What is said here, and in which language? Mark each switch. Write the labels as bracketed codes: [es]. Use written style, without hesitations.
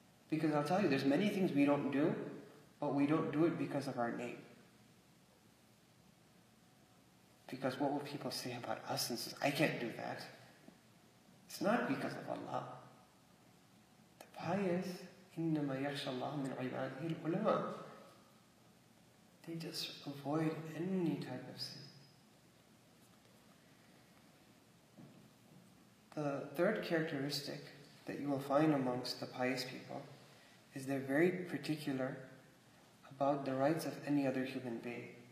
[en] Because I'll tell you, there's many things we don't do, but we don't do it because of our name. Because what will people say about us and says, "I can't do that"? It's not because of Allah. The pious, [ar] إِنَّمَا يَخْشَى اللَّهُ مِنْ عِبَادِهِ الْعُلَمَاءِ. [en] They just avoid any type of sin. The third characteristic that you will find amongst the pious people is they're very particular about the rights of any other human being.